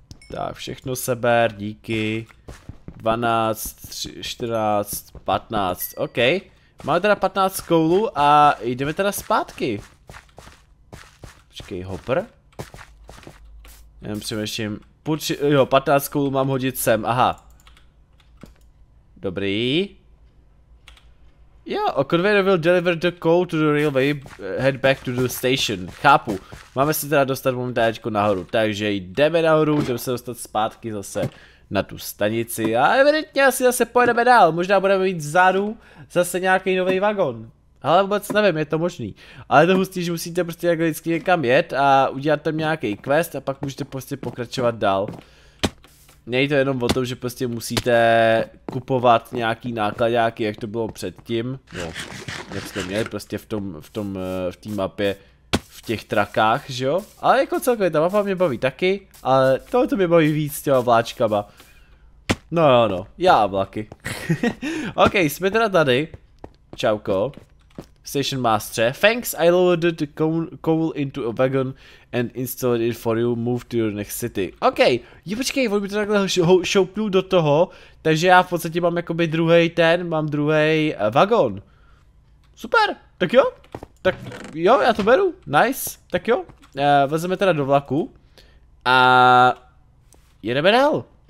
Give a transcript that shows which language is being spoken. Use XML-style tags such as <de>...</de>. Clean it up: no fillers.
<cs>Tak, všechno seber, díky. 12, 3, 14, 15, OK. Máme teda 15 koulů a jdeme teda zpátky. Počkej, Hopper. Jenom přemýšlím. Jo, 15 koulů mám hodit sem, aha. Dobrý.</cs> <en>Jo, a conveyor will deliver the coal to the railway, head back to the station.</en> <cs>Chápu. Máme se teda dostat momentáčku nahoru, takže jdeme nahoru, jdeme se dostat zpátky zase na tu stanici a evidentně asi zase pojedeme dál, možná budeme mít vzadu zase nějaký nový vagon. Ale vůbec nevím, je to možný. Ale je to hustý, že musíte prostě jako vždycky někam jet a udělat tam nějaký quest a pak můžete prostě pokračovat dál. Není to jenom o tom, že prostě musíte kupovat nějaký nákladňáky, jak to bylo předtím. No, jak jste měli prostě v té mapě, v těch trakách, že jo? Ale jako celkově ta mapa mě baví taky, ale tohle to mě baví víc s těma vláčkama. No jo, no, já a vlaky. Ok, jsme teda tady. Čauko.</cs> <en>Station Master, thanks, I loaded the coal into a wagon and installed it for you, move to your next city.</en> <cs>Ok, jo počkej, on by to takhle šoupnul do toho, takže já v podstatě mám jakoby druhej ten, mám druhej wagon. Super, tak jo, já to beru, nice, tak jo, vezeme teda do vlaku a jedeme dál.</cs>